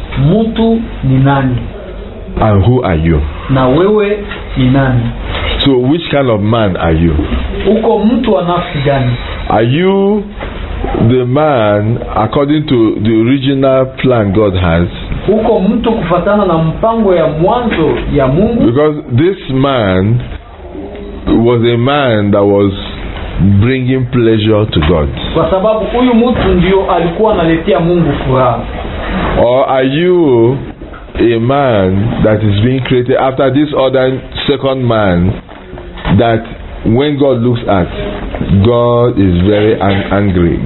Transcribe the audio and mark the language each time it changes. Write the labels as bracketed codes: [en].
[sw] mtu ni nani, [en] and who are you, [sw] na wewe ni nani. [en] So which kind of man are you? [sw] Uko mtu wa nafsi gani? [en] Are you the man according to the original plan God has? [sw] Uko mtu kufatana na mpango ya mwanzo ya Mungu? [en] Because this man was a man that was bringing pleasure to God. [sw] Kwa sababu huyu mtu ndio alikuwa analetea Mungu furaha. [en] Or are you a man that is being created after this other second man that when God looks at, God is very angry.